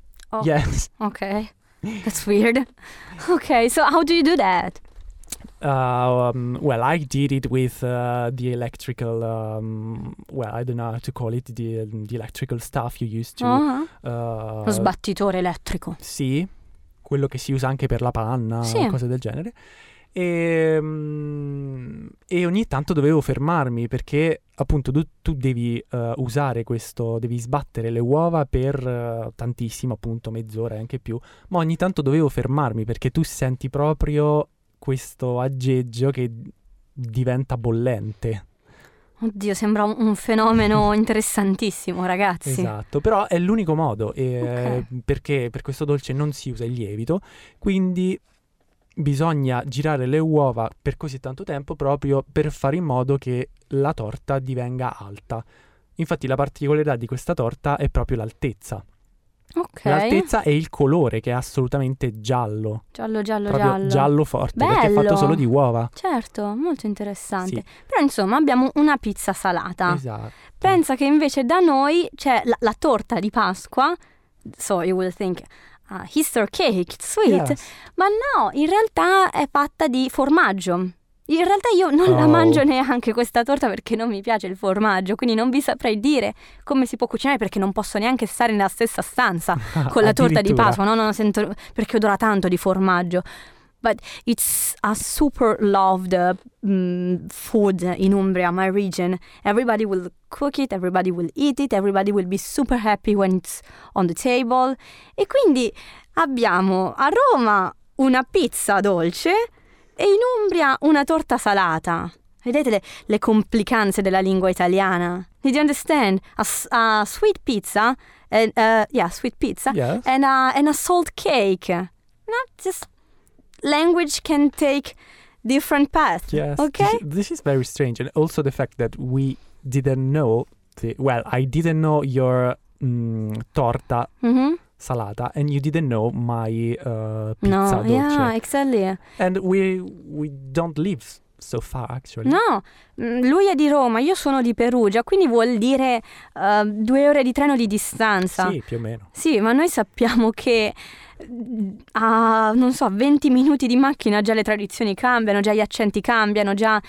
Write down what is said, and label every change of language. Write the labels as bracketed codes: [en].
[en] Oh. Yes. Okay. That's weird. Okay, so how do you do that? Well, I did it with the electrical, I don't know how to call it, the electrical stuff you used to. [it] Lo sbattitore elettrico. Sì, quello che si usa anche per la panna, sì. Cose del genere. E ogni tanto dovevo fermarmi perché appunto tu devi usare questo, devi sbattere le uova per tantissimo, appunto mezz'ora e anche più. Ma ogni tanto dovevo fermarmi perché tu senti proprio... questo aggeggio che diventa bollente. Oddio, sembra un fenomeno interessantissimo, ragazzi. Esatto, però è l'unico modo, okay. Perché per questo dolce non si usa il lievito, quindi bisogna girare le uova per così tanto tempo proprio per fare in modo che la torta divenga alta. Infatti la particolarità di questa torta è proprio l'altezza. Okay. L'altezza e il colore, che è assolutamente giallo. Giallo, giallo, proprio giallo. Giallo forte. Bello. Perché è fatto solo di uova. Certo, molto interessante. Sì. Però insomma abbiamo una pizza salata. Esatto. Pensa che invece da noi c'è la torta di Pasqua. [en] So you will think, Easter cake, it's sweet. Yes. [it] Ma no, in realtà è fatta di formaggio. In realtà io non la mangio neanche questa torta perché non mi piace il formaggio, quindi non vi saprei dire come si può cucinare perché non posso neanche stare nella stessa stanza con la torta di Pasqua, no, non la sento perché odora tanto di formaggio. [en] but it's a super loved food in Umbria, my region. Everybody will cook it, everybody will eat it, everybody will be super happy when it's on the table. [it] E quindi abbiamo a Roma una pizza dolce e in Umbria una torta salata. Vedete le complicanze della lingua italiana? [en] Did you understand? A sweet pizza and sweet pizza, yes. and a salt cake. Not just language can take different paths. Yes. Okay. This is very strange, and also the fact that we didn't know I didn't know your torta salata, and you didn't know my pizza dolce. Yeah, exactly. And we don't live so far, actually. [it] No, lui è di Roma, io sono di Perugia, quindi vuol dire due ore di treno di distanza. Sì, più o meno. Sì, ma noi sappiamo che a, non so, 20 minuti di macchina già le tradizioni cambiano, già gli accenti cambiano, già